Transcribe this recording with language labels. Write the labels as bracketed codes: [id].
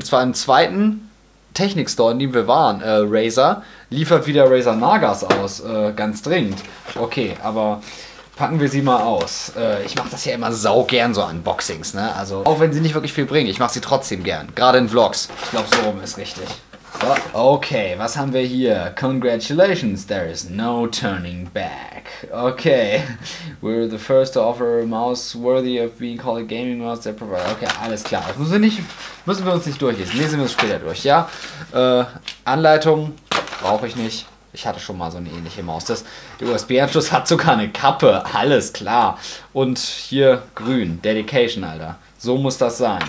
[de] Und zwar im zweiten Technik-Store, in dem wir waren, Razer, liefert wieder Razer Nagas aus, ganz dringend. Okay, aber packen wir sie mal aus. Ich mache das ja immer sau gern, so Unboxings, ne? Also, auch wenn sie nicht wirklich viel bringen, ich mache sie trotzdem gern. Gerade in Vlogs. Ich glaube, so rum ist richtig. So, okay, was haben wir hier? [en] Congratulations, there is no turning back. Okay, we're the first to offer a mouse worthy of being called a gaming mouse that provides. [de] Okay, alles klar. Das müssen wir uns nicht durchlesen. Lesen wir es später durch, ja? Anleitung brauche ich nicht. Ich hatte schon mal so eine ähnliche Maus. Der USB-Anschluss hat sogar eine Kappe. Alles klar. Und hier grün. Dedication, Alter. So muss das sein.